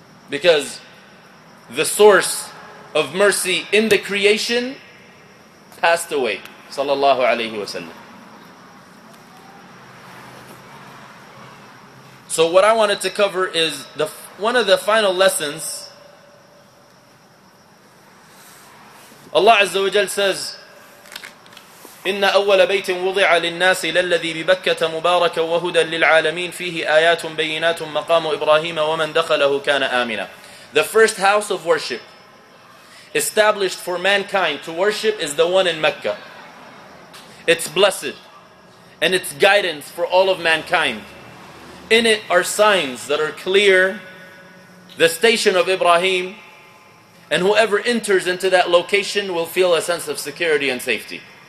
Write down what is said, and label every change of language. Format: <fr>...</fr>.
<en>Because the source of mercy in the creation passed away, sallallahu alayhi wa sallam. So what I wanted to cover is one of the final lessons. Allah Azza wa Jal says,</en> <ar>إن أول بيت وضع للناس للذي ببكة مباركا وهدى للعالمين فيه آيات بينات مقام إبراهيم ومن دخله كان آمنا.</ar> <en>The first house of worship established for mankind to worship is the one in Mecca. It's blessed and it's guidance for all of mankind. In it are signs that are clear, the station of Ibrahim, and whoever enters into that location will feel a sense of security and safety.</en>